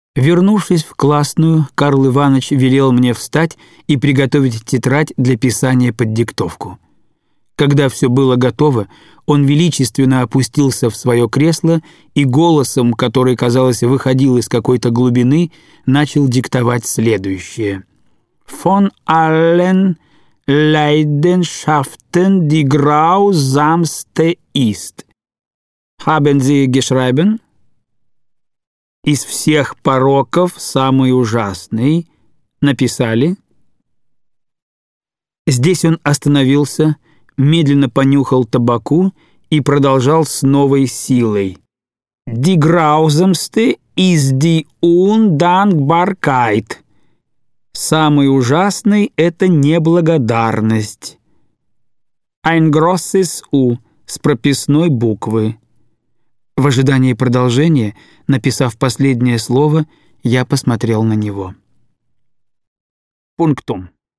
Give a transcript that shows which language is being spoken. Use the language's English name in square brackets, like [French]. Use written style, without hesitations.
[Russian] Вернувшись в классную, Карл Иванович велел мне встать и приготовить тетрадь для писания под диктовку. Когда все было готово, он величественно опустился в свое кресло и голосом, который, казалось, выходил из какой-то глубины, начал диктовать следующее. [German] «Von allen Leidenschaften, die grausamste ist. Haben Sie geschrieben?» [Russian] «Из всех пороков самый ужасный. Написали?» Здесь он остановился, медленно понюхал табаку и продолжал с новой силой. [German] «Die grausamste ist die Undankbarkeit. [Russian] Самый ужасный — это неблагодарность. [German] Ein großes U [Russian] с прописной буквы». В ожидании продолжения, написав последнее слово, я посмотрел на него. «Пунктум.